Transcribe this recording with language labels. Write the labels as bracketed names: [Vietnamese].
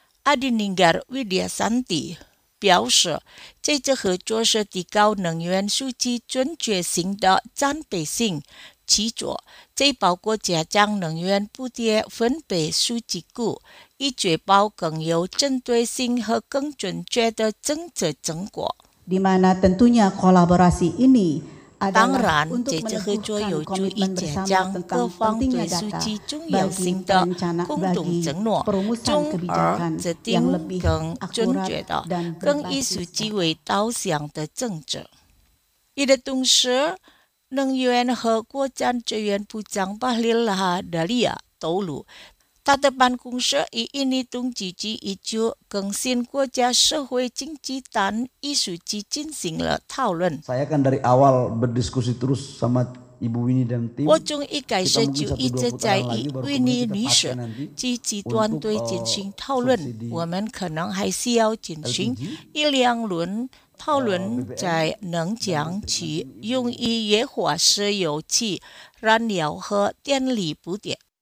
[Chinese] 阿迪宁格·维迪亚桑蒂表示，这次合作是提高能源数据准确性的战备性基础，这包括加强能源补贴分配数据库，以确保更有针对性和更准确的政策成果。 [Indonesian] Di mana tentunya kolaborasi ini adalah [Chinese] 当然，这次合作有助于加强各方对数据重要性的共同承诺，从而制定更准确的、更以数据为导向的政策。与此同时，能源和矿产资源部长巴里拉·达利亚透露，他的办公室与印尼统计局已就更新国家社会经济单一数据进行了讨论。 [Indonesian] Saya kan dari awal berdiskusi terus sama Ibu Winnie dan tim. [Chinese] 我从一开始就一直在与 Winnie 女士及其团队进行讨论。我们可能还需要进行一两轮讨论，才能将其用于液化石油气燃料和电力补贴。